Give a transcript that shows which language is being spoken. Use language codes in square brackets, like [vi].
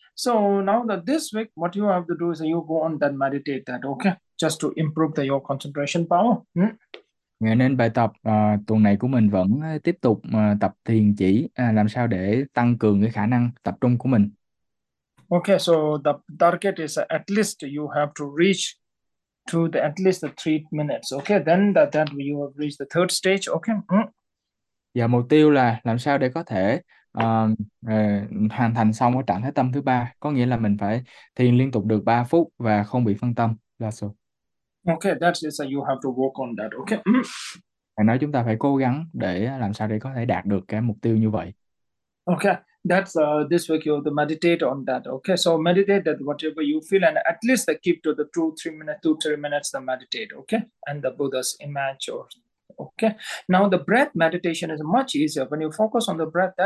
[en] So now that this week, what you have to do is that you go on and meditate that. Okay. Just to improve the your concentration power. [vi] Ngày nên bài tập tuần này của mình vẫn tiếp tục tập thiền chỉ làm sao để tăng cường cái khả năng tập trung của mình. [en] Okay, so the target is at least you have to reach to the at least the 3 minutes. Okay, then that you have reached the third stage. Okay. [vi] Và mục tiêu là làm sao để có thể hoàn thành xong cái trạng thái tâm thứ ba, có nghĩa là mình phải thiền liên tục được 3 phút và không bị phân tâm. Là số. [en] Okay, that is you have to work on that. Okay. [vi] Nói chúng ta phải cố gắng để làm sao để có thể đạt được cái mục tiêu như vậy. [en] Okay. That's this week you have to meditate on that. Okay, so meditate that whatever you feel and at least keep to the 2 3 minutes, 2 3 minutes the meditate. Okay, and the Buddha's image or okay. Now the breath meditation is much easier when you focus on the breath.